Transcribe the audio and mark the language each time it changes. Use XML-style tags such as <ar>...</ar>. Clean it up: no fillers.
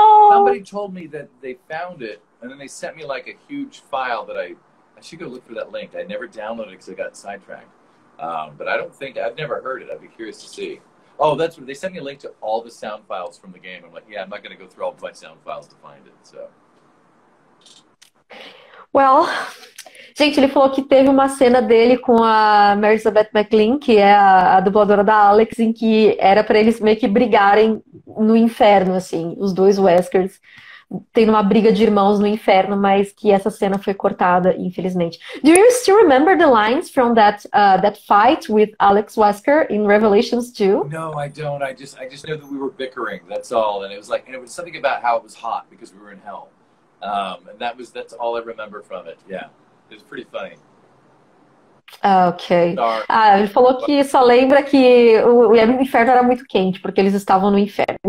<en>Somebody told me that they found it, and then they sent me like a huge file that I should go look for that link. I never downloaded it because I got sidetracked. But I don't think, I've never heard it. I'd be curious to see. Oh, that's what, they sent me a link to all the sound files from the game. I'm like, yeah, I'm not going to go through all of my sound files to find it, so.</en> <pt>Well, gente, ele falou que teve uma cena dele com a Mary Elizabeth McLean, que é a dubladora da Alex, em que era pra eles meio que brigarem no inferno, assim, os dois Weskers tendo uma briga de irmãos no inferno, mas que essa cena foi cortada, infelizmente.</pt> <en>Do you still remember the lines from that that fight with Alex Wesker in Revelations 2? No, I don't. I just know that we were bickering, that's all. And it was like, and it was something about how it was hot because we were in hell. And that was, that's all I remember from it, yeah. It's pretty funny.</en> <pt>Ok. Ah, ele falou que só lembra que o inferno era muito quente, porque eles estavam no inferno.</pt>